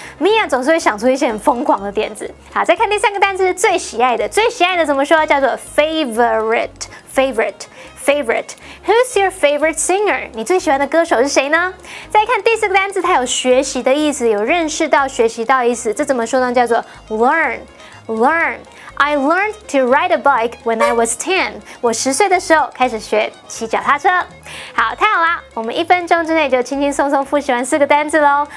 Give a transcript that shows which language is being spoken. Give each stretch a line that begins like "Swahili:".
Chinese: Mia 总是会想出一些很疯狂的点子。好，再看第三个单词，最喜爱的，最喜爱的怎么说？叫做
English: favorite， favorite， favorite。 Who's your favorite singer？
Chinese: 你最喜欢的歌手是谁呢？再看第四个单词，它有学习的意思，有认识到、学习到意思。这怎么说呢？叫做 learn， learn。
English: I learned to ride a bike when I was 10.
Chinese: 我十岁的时候开始学骑脚踏车。好，太好啦！我们一分钟之内就轻轻松松复习完四个单字喽。